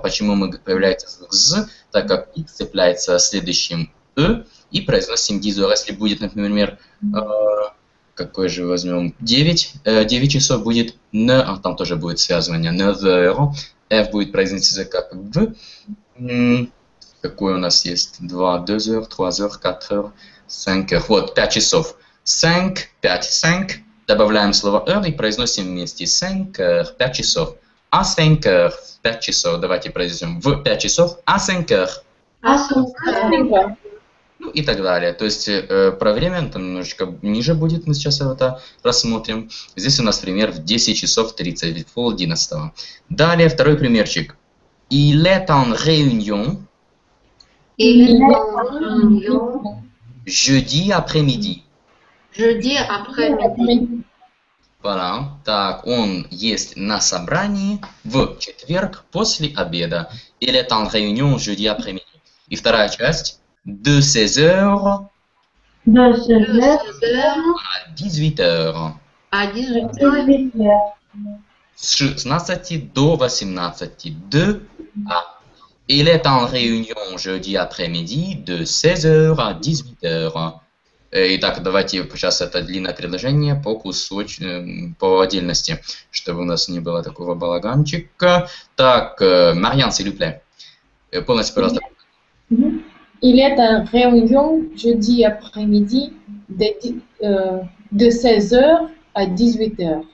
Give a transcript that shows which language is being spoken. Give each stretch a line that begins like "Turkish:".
Russian: Почему мы появляется звук «з»? Так как «х» цепляется следующим «э» и произносим
French: 10 heures.
Russian: Если будет, например, какой же возьмем, 9 часов будет «не», а там тоже будет связывание
French: «9 heures».
Russian: «Ф» будет произноситься как «в». Какой у нас есть?
French: 2, 2 heures, 3 heures, 4 heures, 5 heures.
Russian: Вот, 5 часов. 5. Добавляем слово «эр» и произносим вместе «сэнкэр» – 5 часов. «А сэнкэр» – 5 часов. Давайте произнесем «в 5 часов» – «а сэнкэр». «А сэнкэр». Ну и так далее. То есть про время там немножечко ниже будет, мы сейчас это рассмотрим. Здесь у нас пример в 10 часов 30, ведь полдиннадцатого. Далее второй примерчик.
French: «Il est en réunion». «Il est en réunion». «Jeudi après-midi». Jeudi après-midi. Voilà.
Russian: Так, он есть на собрании в четверг после обеда.
French: Il est en réunion jeudi après-midi.
Russian: И вторая часть.
French: De 16h. De 16h. À 18h. À 18h.
Russian: С 16 до 18.
French: De à. Il est en réunion jeudi après-midi de 16h à 18h.
Russian: Итак, давайте сейчас это длинное предложение по кусочкам, по отдельности, чтобы у нас не было такого балаганчика. Так,
French: Marianne, s'il vous plaît.
Russian: Полностью, пожалуйста.
French: Il est en réunion jeudi après-midi de 16h à 18h.